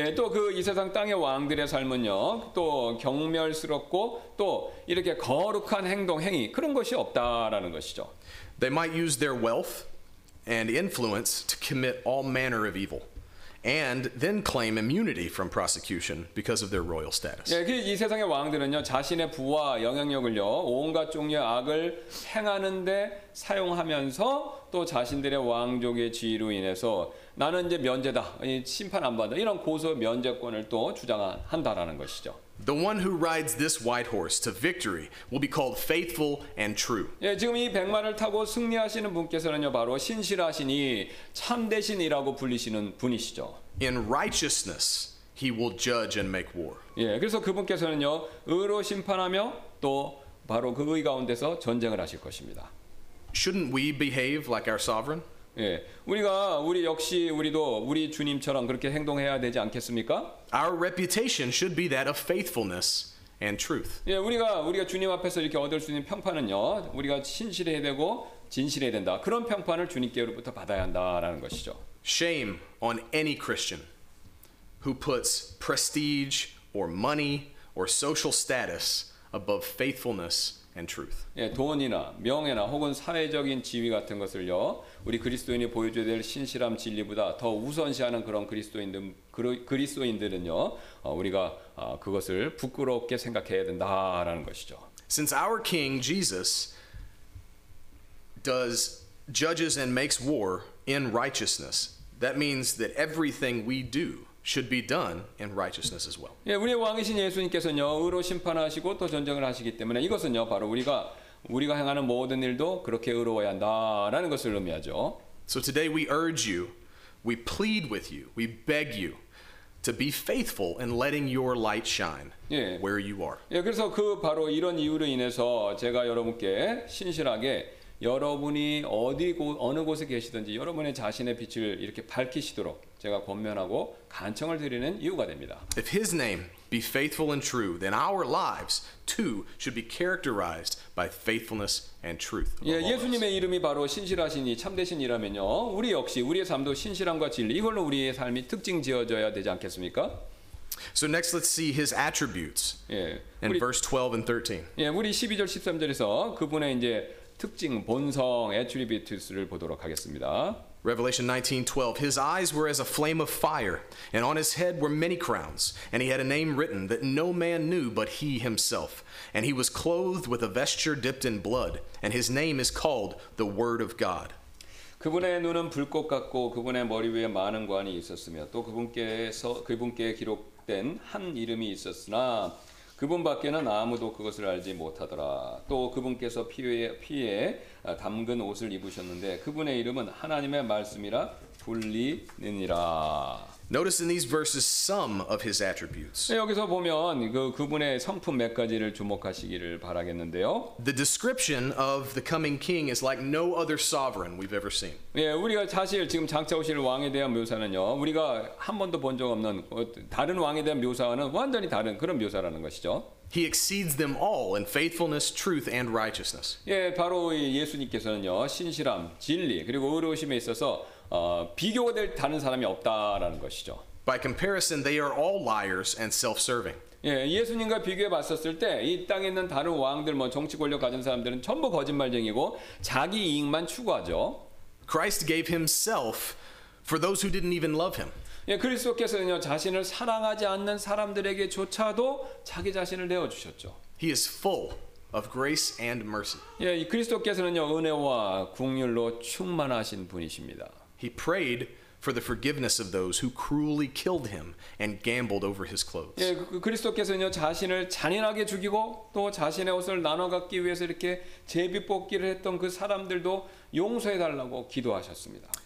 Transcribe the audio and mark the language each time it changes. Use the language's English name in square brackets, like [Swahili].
[Korean] 예, 또 그 이 세상 땅의 왕들의 삶은요, 또 경멸스럽고 또 이렇게 거룩한 행동 행위 그런 것이 없다라는 것이죠. [English] They might use their wealth and influence to commit all manner of evil. And then claim immunity from prosecution because of their royal status. [Korean] 예, 이 세상의 왕들은요 자신의 부와 영향력을요 온갖 종류의 악을 행하는데 사용하면서 또 자신들의 왕족의 지위로 인해서 나는 이제 면제다, 심판 안 받아 이런 고소 면제권을 또 주장한다라는 것이죠. [English] The one who rides this white horse to victory will be called faithful and true. [Korean] 예, 지금 이 백마를 타고 승리하시는 분께서는요 바로 신실하시니 참되신이라고 불리시는 분이시죠. [English] In righteousness he will judge and make war. [Korean] 예, 그래서 그분께서는요 의로 심판하며 또 바로 그 의 가운데서 전쟁을 하실 것입니다. [English] Shouldn't we behave like our sovereign? [Korean] 예, 우리가 우리 역시 우리도 우리 주님처럼 그렇게 행동해야 되지 않겠습니까? [English] Our reputation should be that of faithfulness and truth. [Korean] 예, 우리가 주님 앞에서 이렇게 얻을 수 있는 평판은요, 우리가 신실해야 되고 진실해야 된다. 그런 평판을 주님께로부터 받아야 한다라는 것이죠. [English] Shame on any Christian who puts prestige or money or social status above faithfulness and truth. [Korean] 예, 돈이나 명예나 혹은 사회적인 지위 같은 것을요. 우리 그리스도인이 보여줘야 될 신실함 진리보다 더 우선시하는 그런 그리스도인들은요 우리가 그것을 부끄럽게 생각해야 된다라는 것이죠. [English] Since our King Jesus does judges and makes war in righteousness, that means that everything we do should be done in righteousness as well. [Korean] 예, 우리 왕이신 예수님께서는요 의로 심판하시고 또 전쟁을 하시기 때문에 이것은요 바로 우리가 행하는 모든 일도 그렇게 의로워야 한다라는 것을 의미하죠. [English] So today we urge you, we plead with you, we beg you to be faithful in letting your light shine where you are. [Korean] 예, 그래서 그 바로 이런 이유로 인해서 제가 여러분께 신실하게 여러분이 어느 곳에 계시든지 여러분의 자신의 빛을 이렇게 밝히시도록 제가 권면하고 간청을 드리는 이유가 됩니다. [English] If his name be faithful and true, then our lives too should be characterized by faithfulness and truth. [Korean] 예, 예수님의 이름이 바로 신실하시니 참되신이라면요. 우리 역시 우리의 삶도 신실함과 진리 이걸로 우리의 삶이 특징 지어져야 되지 않겠습니까? [English] So next let's see his attributes. 예. In verse 12 and 13. [Korean] 예, 우리 12절 13절에서 그분의 이제 특징 본성 attributes를 보도록 하겠습니다. [English] Revelation 19:12 His eyes were as a flame of fire, and on his head were many crowns, and he had a name written that no man knew but he himself. And he was clothed with a vesture dipped in blood, and his name is called the Word of God. [Korean] 그분의 눈은 불꽃 같고 그분의 머리 위에 많은 관이 있었으며 또 그분께 기록된 한 이름이 있었으나 그분 밖에는 아무도 그것을 알지 못하더라. 또 그분께서 피에 담근 옷을 입으셨는데 그분의 이름은 하나님의 말씀이라 풀리느니라. [English] Notice in these verses some of his attributes. [Korean] 네, 여기서 보면 그분의 성품 몇 가지를 주목하시기를 바라겠는데요. [English] The description of the coming king is like no other sovereign we've ever seen. [Korean] 예, 우리가 사실 지금 장차 오실 왕에 대한 묘사는요, 우리가 한 번도 본 적 없는 다른 왕에 대한 묘사와는 완전히 다른 그런 묘사라는 것이죠. [English] He exceeds them all in faithfulness, truth, and righteousness. [Korean] 예, 바로 예수님께서는요, 신실함, 진리, 그리고 의로우심에 있어서 비교가 될 다른 사람이 없다라는 것이죠. [English] By comparison, they are all liars and self-serving. [Korean] 예, 예수님과 비교해 봤었을 때 이 땅에 있는 다른 왕들, 뭐 정치 권력 가진 사람들은 전부 거짓말쟁이고 자기 이익만 추구하죠. [English] Christ gave himself for those who didn't even love him. [Korean] 예, 그리스도께서는요, 자신을 사랑하지 않는 사람들에게조차도 자기 자신을 내어 주셨죠. [English] He is full of grace and mercy. [Korean] 예, 그리스도께서는요, 은혜와 긍휼로 충만하신 분이십니다. [English] He prayed for the forgiveness of those who cruelly killed him and gambled over his clothes. [Korean] 예, 그리스도께서는요, 자신을 잔인하게 죽이고 또 자신의 옷을 나눠 갖기 위해서 이렇게 제비뽑기를 했던 그 사람들도 용서해 달라고 기도하셨습니다.